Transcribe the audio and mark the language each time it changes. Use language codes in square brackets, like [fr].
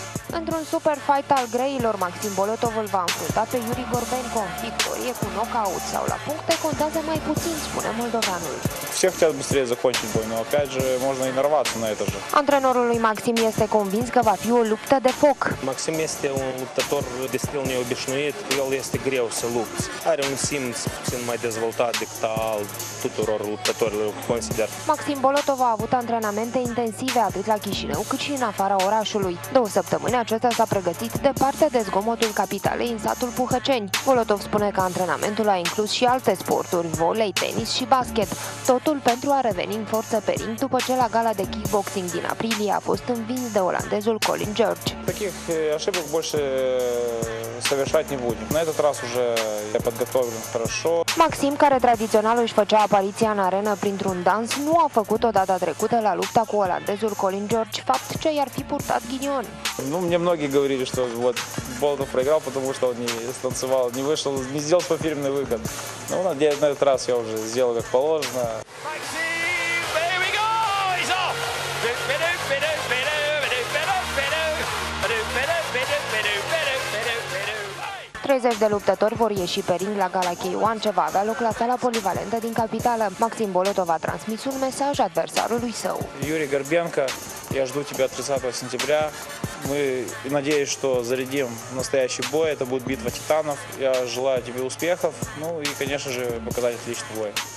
[ro] Într-un super fight al greilor, Maxim Bolotov îl va înfrunta pe Yuri Gorbenko. Victorie cu knockout sau la puncte contează mai puțin, spune moldovanul. [ru] Всех хотят быстрее закончить бой, но опять же можно и нарваться на это же. [ro] Antrenorul lui Maxim este convins că va fi o luptă de foc. Maxim este un luptător de stil neobișnuit, el este greu să lupți. Are un simț mai dezvoltat decât al tuturor luptătorilor, consider. Maxim Bolotov a avut antrenamente intensive atât la Chișinău, cât și în afara orașului. Două săptămâni acesta s-a pregătit departe de zgomotul capitalei în satul Puhăceni. Bolotov spune că antrenamentul a inclus și alte sporturi, volei, tenis și basket. Totul pentru a reveni în forță pe ring după ce la gala de kickboxing din aprilie a fost învins de olandezul Colin George. [ru] Таких ошибок больше совершать не будем. На этот раз уже я подготовлен хорошо. [ro] Maxim, care tradițional își făcea apariția în arenă printr-un dans, nu a făcut o data trecută la lupta cu olandezul Colin George, fapt ce i-ar fi purtat ghinion. [ru] Ну, мне многие говорили, что вот Болотов проиграл, потому что он не станцевал, не вышел, не сделал свой фирменный выход. Ну, на этот раз я уже сделал как положено. [ro] De luptători vor ieși pe ring la Gala K1, ce va avea loc la sala polivalentă din capitală. Maxim Bolotov a transmis un mesaj adversarului său. [ru] Yuri Gorbenko, я жду тебя 30 сентября. Мы надеемся, что зарядим настоящий бой. Это будет битва титанов. Я желаю тебе успехов. Ну и, конечно же, показать отличный бой.